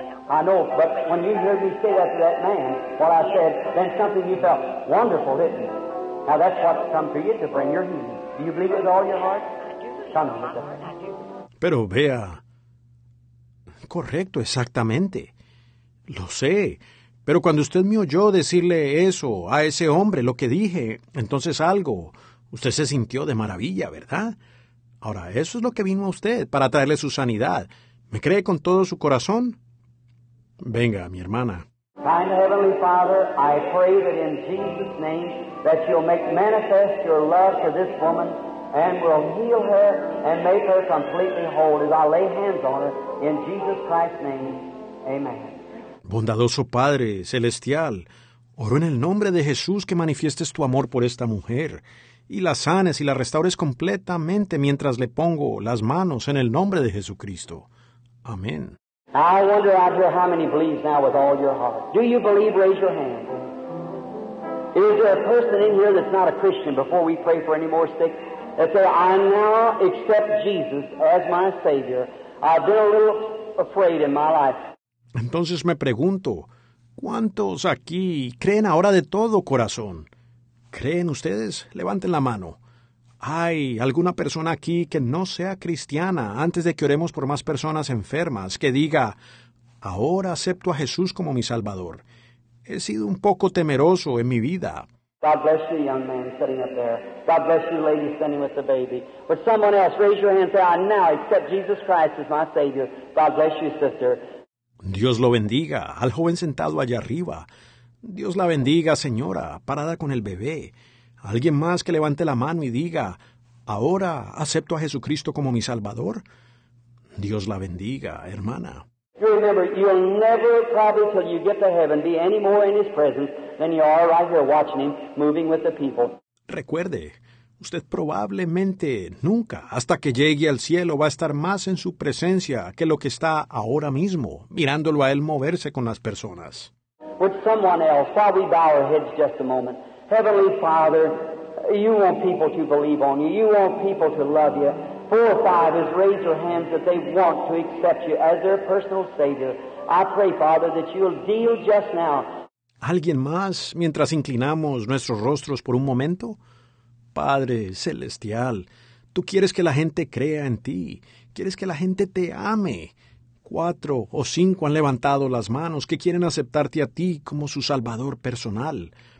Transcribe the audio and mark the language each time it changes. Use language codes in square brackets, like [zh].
[en] I know, but when you heard me say that to that man, what I said, then something you felt wonderful, didn't you? Now that's what come to you to bring your healing. Do you believe with all your heart? Come on, with [es] pero vea, correcto, exactamente, lo sé, pero cuando usted me oyó decirle eso a ese hombre, lo que dije, entonces algo, usted se sintió de maravilla, ¿verdad? Ahora, eso es lo que vino a usted, para traerle su sanidad. ¿Me cree con todo su corazón? Venga, mi hermana. [en] Kind Heavenly Father, I pray that in Jesus' name that you'll make manifest your love for this woman and will heal her and make her completely whole as I lay hands on her in Jesus Christ's name. Amen. [es] Bondadoso Padre Celestial, oro en el nombre de Jesús que manifiestes tu amor por esta mujer y la sanes y la restaures completamente mientras le pongo las manos en el nombre de Jesucristo. Amén. [en] I wonder out here how many believe now with all your heart. Do you believe? Raise your hand. Is there a person in here that's not a Christian before we pray for any more sick? That say, I now accept Jesus as my Savior. I've been a little afraid in my life. [es] Entonces me pregunto, ¿cuántos aquí creen ahora de todo corazón? ¿Creen ustedes? Levanten la mano. ¿Hay alguna persona aquí que no sea cristiana antes de que oremos por más personas enfermas que diga, ahora acepto a Jesús como mi Salvador? He sido un poco temeroso en mi vida. [en] God bless you, young man sitting up there. God bless you, lady standing with the baby. But someone else, raise your hand and say, I now accept Jesus Christ as my Savior. God bless you, sister. [es] Dios lo bendiga al joven sentado allá arriba. Dios la bendiga, señora, parada con el bebé. ¿Alguien más que levante la mano y diga, ahora acepto a Jesucristo como mi Salvador? Dios la bendiga, hermana. [en] You remember, you'll never probably till you get to heaven be any more in His presence than you are right here watching Him moving with the people. [es] Recuerde, usted probablemente nunca, hasta que llegue al cielo, va a estar más en su presencia que lo que está ahora mismo, mirándolo a Él moverse con las personas. [en] Would someone else, shall we bow our heads just a moment? Heavenly Father, you want people to believe on you. You want people to love you. Four or five has raised their hands that they want to accept you as their personal Savior. I pray, Father, that you'll deal just now. [es] ¿Alguien más mientras inclinamos nuestros rostros por un momento? Padre Celestial, tú quieres que la gente crea en ti. Quieres que la gente te ame. Cuatro o cinco han levantado las manos que quieren aceptarte a ti como su Salvador personal.